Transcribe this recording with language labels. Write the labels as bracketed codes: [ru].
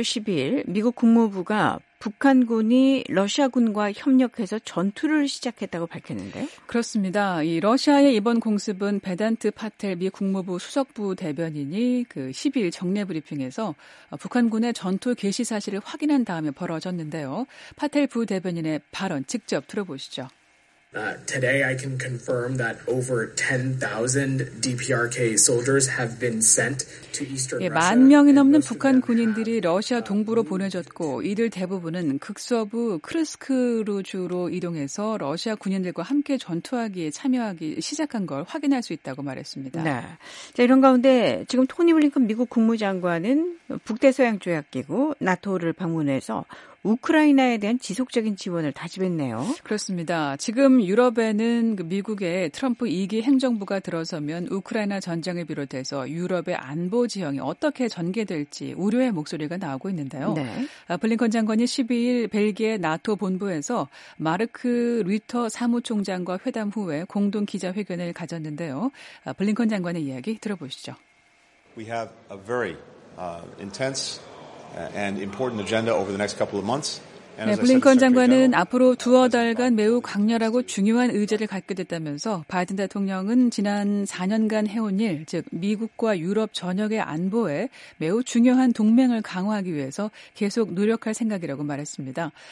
[ko] 12일 미국 국무부가 북한군이 러시아군과 협력해서 전투를 시작했다고 밝혔는데요. 그렇습니다. 이 러시아의 이번 공습은 베단트 파텔 미 국무부 수석부 대변인이 그 12일 정례 브리핑에서 북한군의 전투 개시 사실을 확인한 다음에 벌어졌는데요. 파텔 부 대변인의 발언 직접 들어보시죠. [en] Today I can confirm that over 10,000 DPRK soldiers have been sent to Eastern Russia. [ko] 만 명이 넘는 북한 군인들이 러시아 동부로 보내졌고 이들 대부분은 극서부 크르스크루주로 이동해서 러시아 군인들과 함께 전투하기에 참여하기 시작한 걸 확인할 수 있다고 말했습니다. 네. 자, 이런 가운데 지금 토니 블링컨 미국 국무장관은 북대서양 조약기구 나토를 방문해서 우크라이나에 대한 지속적인 지원을 다짐했네요. 그렇습니다. 지금 유럽에는 미국의 트럼프 2기 행정부가 들어서면 우크라이나 전쟁을 비롯해서 유럽의 안보 지형이 어떻게 전개될지 우려의 목소리가 나오고 있는데요. 네. 블링컨 장관이 12일 벨기에 나토 본부에서 마르크 리터 사무총장과 회담 후에 공동 기자회견을 가졌는데요. 블링컨 장관의 이야기 들어보시죠. [en] We have a very intense and important agenda over the next couple of months. [ko] 네, 블링컨 장관은 앞으로 두어 달간 매우 강렬하고 중요한 의제를 갖게 됐다면서 바이든 대통령은 지난 4년간 해온 일, 즉 미국과 유럽 전역의 안보에 매우 중요한 동맹을 강화하기 위해서 계속 노력할 생각이라고 말했습니다.